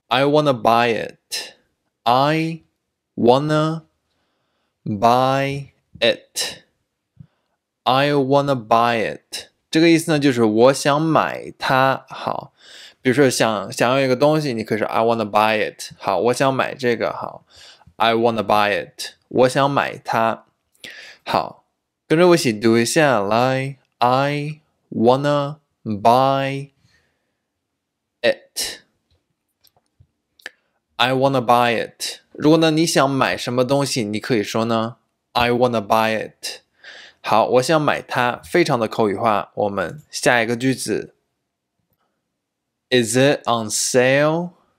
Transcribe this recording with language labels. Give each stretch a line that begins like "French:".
English: I wanna buy it. I wanna buy it. I wanna buy it.
Chinese: 这个意思呢就是我想买它。好，比如说想要一个东西，你可以说
English: I wanna buy it。
Chinese: 好，我想买这个。好
English: I wanna buy it，
Chinese: 我想买它。好，跟着我一起读一下，来
English: I wanna buy it。 I wanna buy it。
Chinese: 如果呢你想买什么东西，你可以说呢
English: I wanna buy it。
Chinese: 好，我想买它，非常的口语化。我们下一个句子 ，
English: Is it on sale?